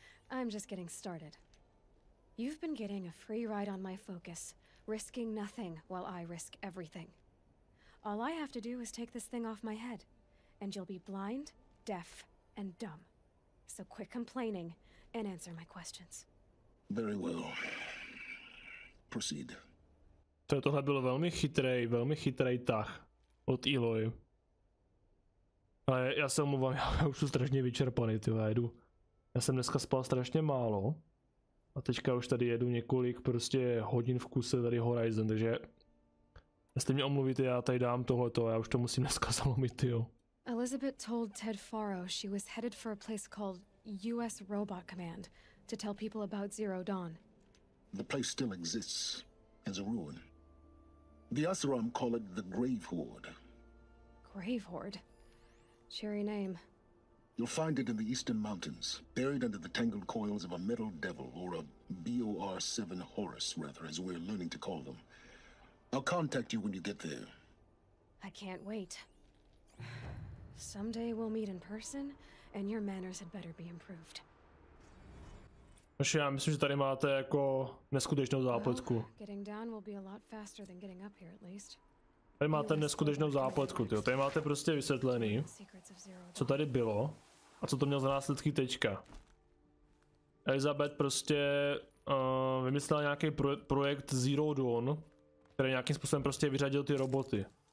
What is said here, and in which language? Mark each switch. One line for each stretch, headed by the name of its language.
English: I'm just getting started. You've been getting a free ride on my focus, risking nothing while I risk everything. All I have to do is take this thing off my head, and you'll be blind, deaf, and dumb. So quit complaining and answer my questions. Very well. Proceed.
Czech: Tohle bylo velmi chytrej tah od Eloy. Ale já se omluvám, já už jsem strašně vyčerpaný, tyhle, jedu. Já jsem dneska spal strašně málo. A teďka už tady jedu několik prostě hodin v kuse tady Horizon, takže... Jestli mě omluvíte, já tady dám tohleto a já už to musím dneska zalomit, jo.
English: Elizabeth told Ted Faro she was headed for a place called US Robot Command to tell people about Zero Dawn. The place still exists as a ruin. The Asuram call it the Grave Horde. Grave Horde? Cheery name. You'll find it in the eastern mountains, buried under the tangled coils of a metal devil, or a BOR-7 Horus, rather, as we're learning to call them. I'll contact you when you get there. I can't wait. Someday we'll meet in person, and your manners had better be improved.
Czech: Takže já myslím, že tady máte jako neskutečnou zápletku.
English: Getting down will be a lot faster than getting up here, at least.
Czech: Tady máte neskutečnou zápletku, tyjo. Tady máte prostě vysvětlený, co tady bylo a co to mělo za následky teďka. Elizabeth prostě vymyslela nějaký projekt Zero Dawn, který nějakým způsobem prostě vyřadil ty roboty.